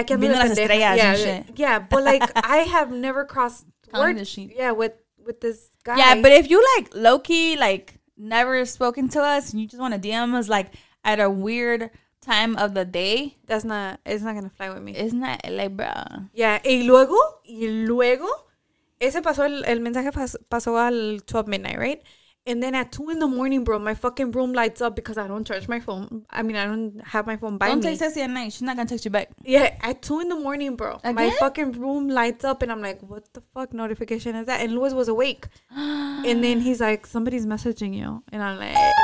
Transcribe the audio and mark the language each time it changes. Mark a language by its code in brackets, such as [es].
[en] I can look. [es] Las estrellas [en] and shit. Yeah, but like, I have never crossed words. Yeah, with this guy. Yeah, but if you like, low-key, like, never spoken to us and you just want to DM us like at a weird time of the day, it's not gonna fly with me. Isn't that like, bro? Yeah. [es] Y luego ese pasó, el mensaje pasó al 12 [en] midnight, right? And then at 2 in the morning, bro, my fucking room lights up because I don't charge my phone. I mean, I don't have my phone by don't Don't text Ceci at night. She's not going to text you back. Yeah, at 2 in the morning, bro. Again? My fucking room lights up and I'm like, what the fuck notification is that? And Luis was awake. And then he's like, somebody's messaging you. And I'm like...